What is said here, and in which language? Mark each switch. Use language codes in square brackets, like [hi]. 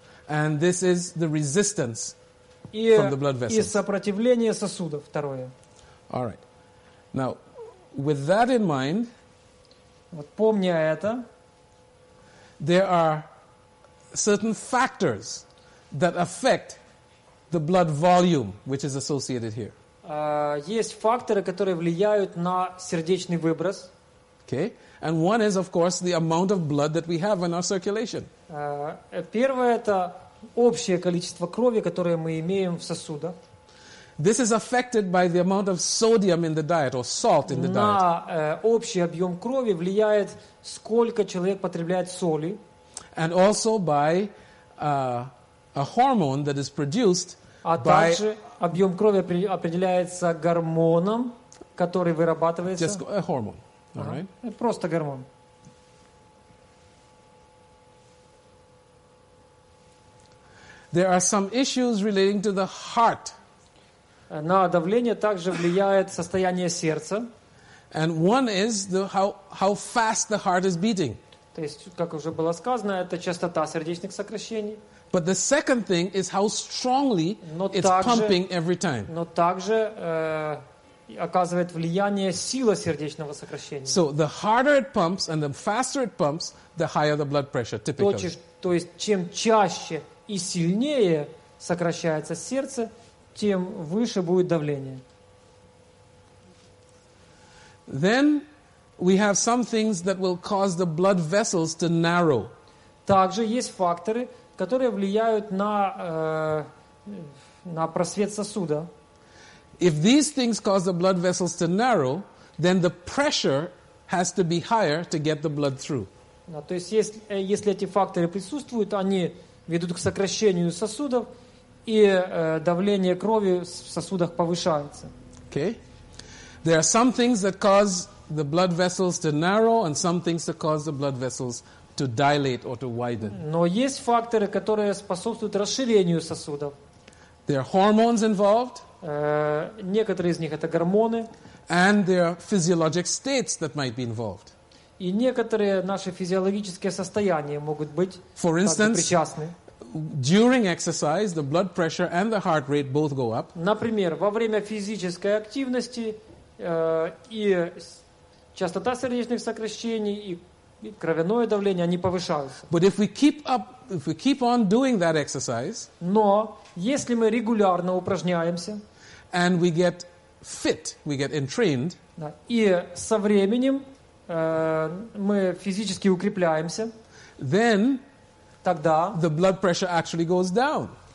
[en] And this is the resistance from the blood vessels. [ru] И сопротивление сосудов, второе. [en] All right. Now, with that in mind, [ru] вот помня это, [en] there are certain factors that affect the blood volume, which is associated here. [ru] Есть факторы, которые влияют на сердечный выброс. [en] Okay. And one is, of course, the amount of blood that we have in our circulation. [ru] Первое – это общее количество крови, которое мы имеем в сосудах. [en] This is affected by the amount of sodium in the diet or salt in the [ru] на, [en] diet. [ru] На общий объем крови влияет, сколько человек потребляет соли. [en] And also by a hormone that is produced [ru] а [en] by... [ru] также объем крови определяется гормоном, который вырабатывается. [en] Just a hormone. All right. [ru] Просто гормон. [en] There are some issues relating to the heart. [ru] На давление также влияет состояние сердца. [en] And one is the how fast the heart is beating. [ru] То есть, как уже было сказано, это частота сердечных сокращений. [en] But the second thing is how strongly it's pumping every time. [ru] Но также оказывает влияние сила сердечного сокращения. [en] So the harder it pumps and the faster it pumps, the higher the blood pressure typically. [ru] То есть чем чаще и сильнее сокращается сердце, тем выше будет давление. [en] Then we have some things that will cause the blood vessels to narrow. [ru] Также есть факторы, которые влияют на на просвет сосуда. [en] If these things cause the blood vessels to narrow, then the pressure has to be higher to get the blood through. [ru] То есть если эти факторы присутствуют, они ведут к сокращению сосудов, и давление крови в сосудах повышается. [en] Okay. There are some things that cause the blood vessels to narrow and some things that cause the blood vessels to dilate or to widen. [ru] Но есть факторы, которые способствуют расширению сосудов. [en] There are hormones involved. [ru] Некоторые из них это гормоны. [en] And there are physiologic states that might be involved. [ru] И некоторые наши физиологические состояния могут быть [en] For instance, [ru] причастны. [en] During exercise, the blood pressure and the heart rate both go up. [ru] Например, во время физической активности и частота сердечных сокращений и кровяное давление они повышаются. [en] But if we keep up, if we keep on doing that exercise, [ru] но если мы регулярно упражняемся, [en] and we get fit, we get entrained, [ru] да, и со временем мы физически укрепляемся, [en] then [ru] тогда [en] the blood pressure actually goes down.